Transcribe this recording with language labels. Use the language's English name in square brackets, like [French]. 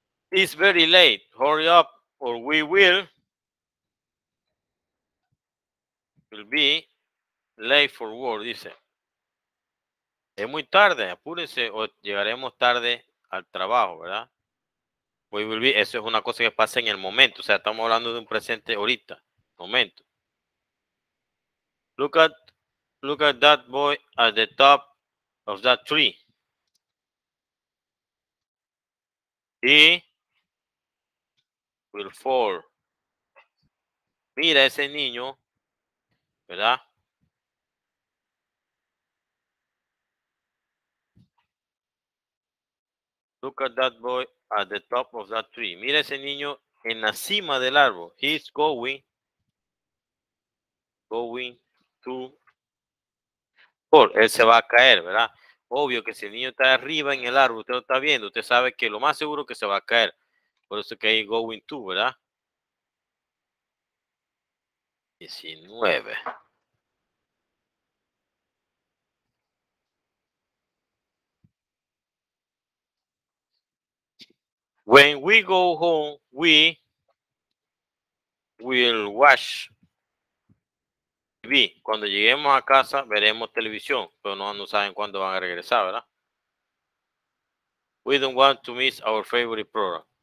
[English] It's very late. Hurry up or we will be late for work, [Spanish] dice. Es muy tarde, apúrense o llegaremos tarde al trabajo, ¿verdad? [English] We will be, [Spanish] eso es una cosa que pasa en el momento, o sea, estamos hablando de un presente ahorita, momento. [English] Look at that boy at the top of that tree. He will fall. [Spanish] Mira ese niño, ¿verdad? [English] Look at that boy at the top of that tree. [Spanish] Mira ese niño en la cima del árbol. [English] He's going to fall. [Spanish] Él se va a caer, ¿verdad? Obvio que si el niño está arriba en el árbol, usted lo está viendo, usted sabe que lo más seguro es que se va a caer. Por eso que hay going to, ¿verdad? 19. [English] When we go home, we will watch TV. [Spanish] Cuando lleguemos a casa, veremos televisión, pero no saben cuándo van a regresar, ¿verdad? [English] We don't want to miss our favorite program.